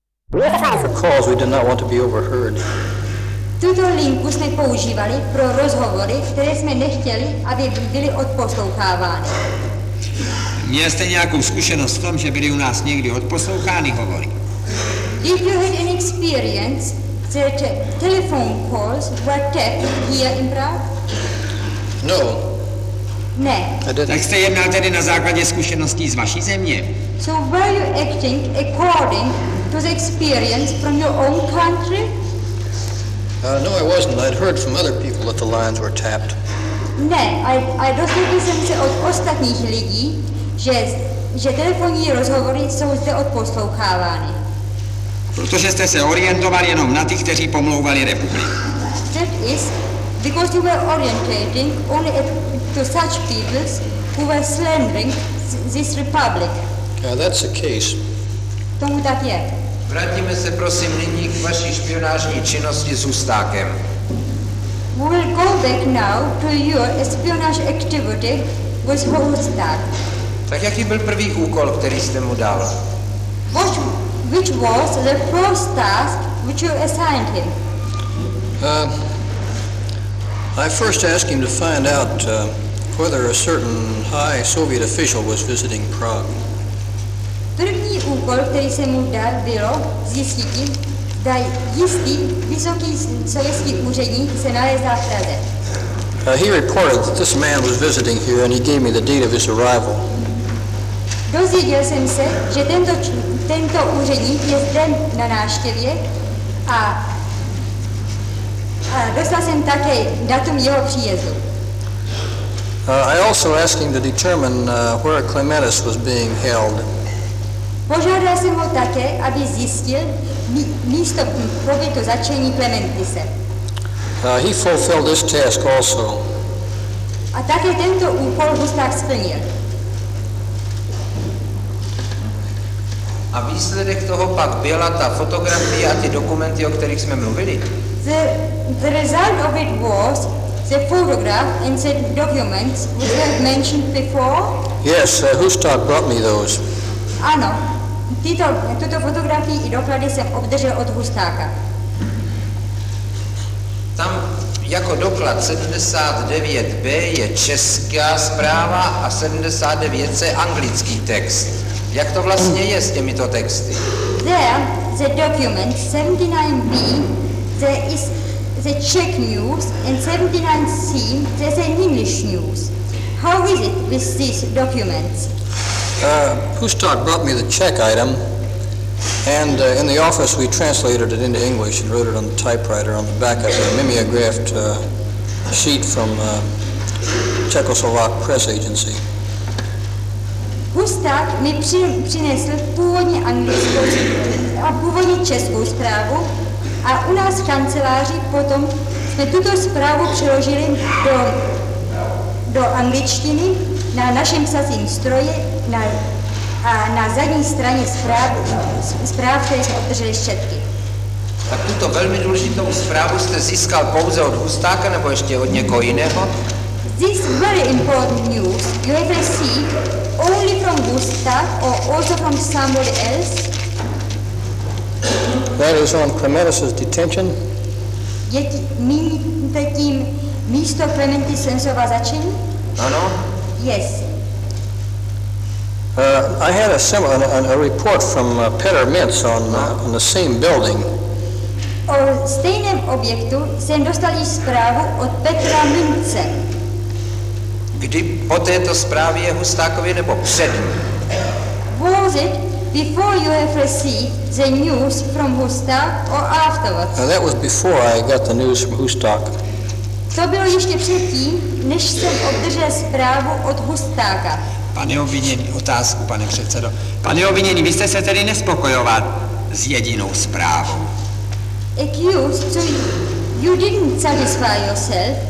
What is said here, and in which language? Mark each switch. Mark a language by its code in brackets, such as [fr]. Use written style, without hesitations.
[en] For calls, we did not want to be overheard. [cs] Tuto linku jsme používali pro rozhovory, které jsme nechtěli, aby byly odposloucháváni. Měl jste nějakou zkušenost v tom, že byly u nás někdy odposlouchány hovory? [en] Did you have any experience that telephone calls were kept here in Prague? No. [cs] Ne. Tak jste jednal tedy na základě zkušeností z vaší země. [en] So were you acting according to the experience from your own country? No, I wasn't. I'd heard from other people that the lines were tapped. [cs] Ne, I dozvěděl jsem se od ostatních lidí, že telefonní rozhovory jsou zde odposlouchávány. Protože jste se orientoval jenom na ty, kteří pomlouvali republiku. [en] That is, because you were orientating only to such people who were slandering this republic. That's the case. [cs] Tomu tak je. Vrátíme se prosím nyní k vaší špionážní činnosti s Ústákem. [en] We will go back now to your espionage activity with Ústák. [cs] Tak jaký byl první úkol, který jste mu dal? [en] Which was the first task which you assigned him? I first asked him to find out whether a certain high Soviet official was visiting Prague. [cs] První úkol, který jsem mu dal, bylo zjistit, zda jistý vysoký sovětský úředník se nalézá v Praze. [en] He reported that this man was visiting here and he gave me the date of his arrival. [cs] Dozvěděl jsem se, že tento úředník je zde na návštěvě a dostal jsem také datum jeho příjezdu. [en] I also asked him to determine where Clematis was being held. [cs] Požádal jsem ho také, aby zjistil místo pobytu zatčení Clematise. [en] He fulfilled this task also. [cs] A také tento úkol Ústák splnil. A výsledek toho pak byla ta fotografie a ty dokumenty, o kterých jsme mluvili. [en] The result of it was the photograph and the documents which we have mentioned before. Yes, Ústák brought me those. [cs] Ano. Tuto fotografii i doklady jsem obdržel od Hustáka. Tam jako doklad 79b je česká zpráva a 79c anglický text. Jak to vlastně je s těmito texty? [en] There, the document 79b, there is the Czech news and 79c, there's an English news. How is it with these documents? Ústák brought me the check item, and in the office we translated it into English and wrote it on the typewriter on the back of a mimeographed sheet from Czechoslovak press agency. [cs] Ústák mi přinesl původně anglickou a původně českou zprávu a u nás v kanceláři potom jsme tuto zprávu přeložili do angličtiny na našem psacím stroji. Na zadní straně zpráv, které jsme obdrželi z Četky. Tak tuto velmi důležitou zprávu jste získal pouze od Ústáka nebo ještě od někoho jiného? [en] This very important news you have received only from Ústák or also from somebody else? That is on Clematis's detention. [cs] Je to tím místo Clematis Sensova začení? Ano. [en] Yes. I had a report from Peter Mintz on the same building. [cs] O stejném objektu jsem dostal zprávu od Petra Mintze. Kdy po této zprávě Hustákovi nebo před? [en] Was it before you have received the news from Ústák or afterwards? That was before I got the news from Ústák. [cs] To bylo ještě předtím, než jsem obdržel zprávu od Ústáka. Pane obviněný, otázku, pane předsedo. Pane obviněný, vy jste se tedy nespokojoval s jedinou zprávou? [en] Accused, so you didn't satisfy yourself.